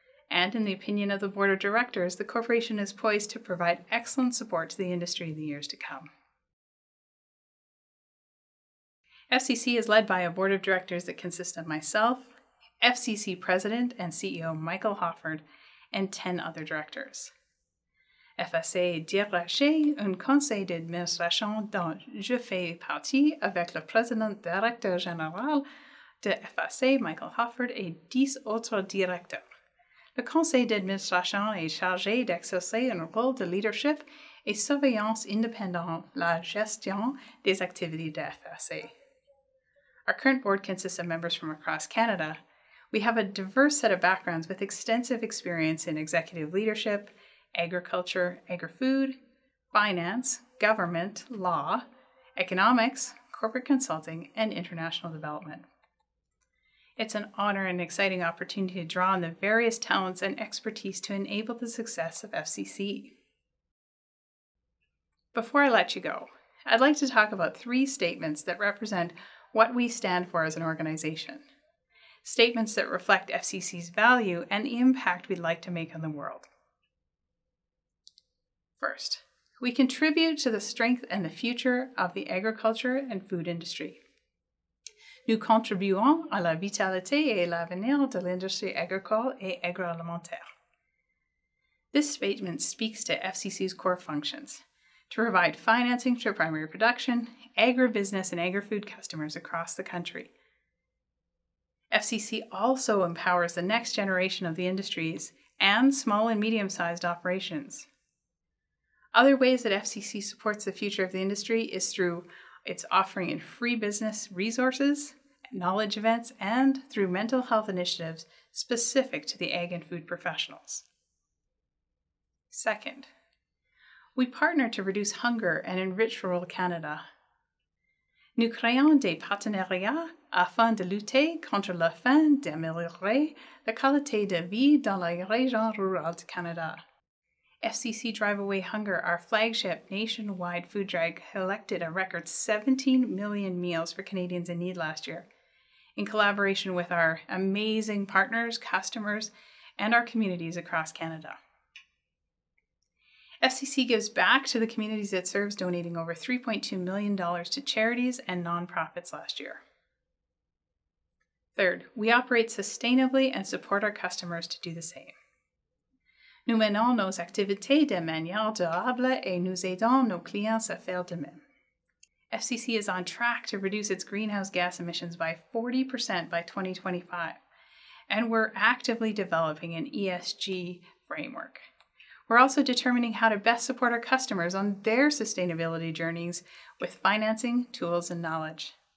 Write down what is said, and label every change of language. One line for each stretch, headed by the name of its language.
English: And in the opinion of the Board of Directors, the corporation is poised to provide excellent support to the industry in the years to come. FCC is led by a Board of Directors that consists of myself, FCC President and CEO Michael Hoffort, and 10 other directors.
French: FAC dirige un conseil d'administration dont je fais partie avec le président directeur général de FAC, Michael Hoffort, et 10 autres directeurs. Le conseil d'administration est chargé d'exercer un rôle de leadership et surveillance indépendante la gestion des activités de FAC.
English: Our current board consists of members from across Canada. We have a diverse set of backgrounds with extensive experience in executive leadership, agriculture, agri-food, finance, government, law, economics, corporate consulting, and international development. It's an honor and exciting opportunity to draw on the various talents and expertise to enable the success of FCC. Before I let you go, I'd like to talk about three statements that represent what we stand for as an organization. Statements that reflect FCC's value and the impact we'd like to make on the world. First, we contribute to the strength and the future of the agriculture and food industry.
French: Nous contribuons à la vitalité et l'avenir de l'industrie agricole et agroalimentaire.
English: This statement speaks to FCC's core functions, to provide financing to primary production, agribusiness, and agri-food customers across the country. FCC also empowers the next generation of the industries and small and medium-sized operations. Other ways that FCC supports the future of the industry is through its offering in free business resources, knowledge events, and through mental health initiatives specific to the ag and food professionals. Second, we partner to reduce hunger and enrich rural Canada.
French: Nous créons des partenariats afin de lutter contre la faim, d'améliorer la qualité de vie dans les régions rurales du Canada.
English: FCC Drive Away Hunger, our flagship nationwide food drive, collected a record 17 million meals for Canadians in need last year, in collaboration with our amazing partners, customers, and our communities across Canada. FCC gives back to the communities it serves, donating over $3.2 million to charities and nonprofits last year. Third, we operate sustainably and support our customers to do the same.
French: Nous menons nos activités de manière durable et nous aidons nos clients à faire de même.
English: FCC is on track to reduce its greenhouse gas emissions by 40% by 2025, and we're actively developing an ESG framework. We're also determining how to best support our customers on their sustainability journeys with financing, tools, and knowledge.